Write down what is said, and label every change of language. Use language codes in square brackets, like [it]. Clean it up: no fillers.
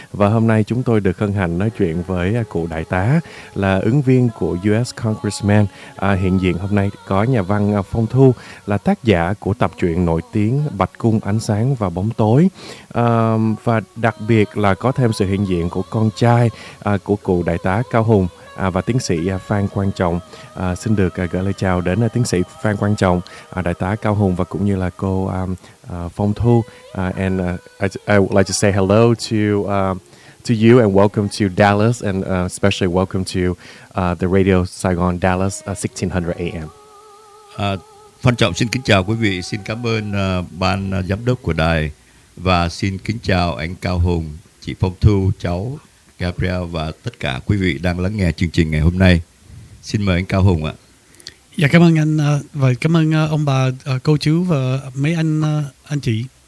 [vi] Và hôm nay chúng tôi được hân hạnh nói chuyện với cụ Đại tá là ứng viên của US Congressman, hiện diện hôm nay có nhà văn Phong Thu, là tác giả của tập truyện nổi tiếng Bạch Cung Ánh Sáng và Bóng Tối, và đặc biệt là có thêm sự hiện diện của con trai của cụ Đại tá Cao Hùng và tiến sĩ Phan Quang Trọng. Xin được gửi lời chào đến tiến sĩ Phan Quang Trọng, Đại tá Cao Hùng và cũng như là cô Phong Thu. [en] I would like to say hello to you and welcome to Dallas, and especially welcome to the Radio Saigon Dallas 1600 AM. [vi] Phan Trọng xin kính chào quý vị, xin cảm ơn ban giám đốc của đài và xin kính chào anh Cao Hùng, chị Phong Thu, cháu Gabriel và tất cả quý vị đang lắng nghe chương trình ngày hôm nay. Xin mời anh Cao Hùng ạ. Dạ cảm ơn anh và cảm ơn ông bà, cô chú và mấy anh chị.